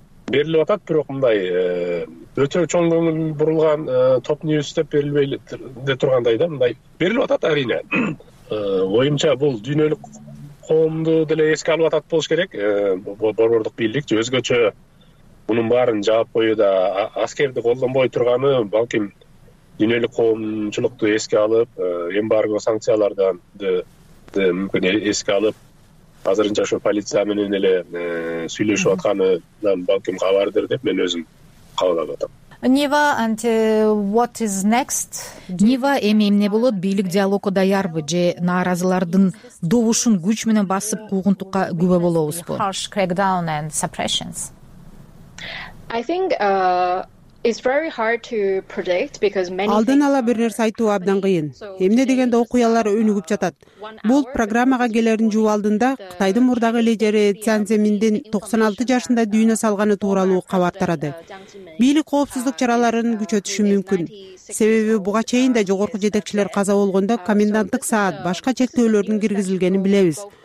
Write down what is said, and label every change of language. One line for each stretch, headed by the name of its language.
Kyrgyz: берилип атат бирок мындай өтө чоң көңүл бурулган топ ньюс деп берилбей эле тургандай да мындай берилип атат арийне оюмча бул дүйнөлүк коомду деле эске алып атат болуш керек борбордук бийлик өзгөчө мунун баарын жаап коюу да аскерди колдонбой турганы балким дүйнөлүк коомчулукту эске алып эмбарго санкциялардан мүмкүн эске алып азырынча ошо полиция менен эле сүйлөшүп атканынан балким кабардыр деп мен өзүм кабыл атам.
English: Нива, and what is next?
Kyrgyz: Нива, эми эмне болот? Бийлик диалогко даярбы же нааразылардын добушун күч менен басып куугунтукка күбө болобузбу?
English: Harsh crackdown and suppressions. I think it's very hard to predict because many
Kyrgyz: алдын ала бир нерсе айтуу абдан кыйын. Эмне дегенде окуялар өнүгүп жатат. Бул программага келердин жуу алдында Кытайдын мурдагы лидери Цзян Цземиндин 96 жашында дүйнө салганы тууралуу кабар тарады. Бийлик коопсуздук чараларын күчөтүшү мүмкүн. Себеби буга чейин да жогорку жетекчилер каза болгондо коменданттык саат, башка чектөөлөрдүн киргизилгенин билебиз.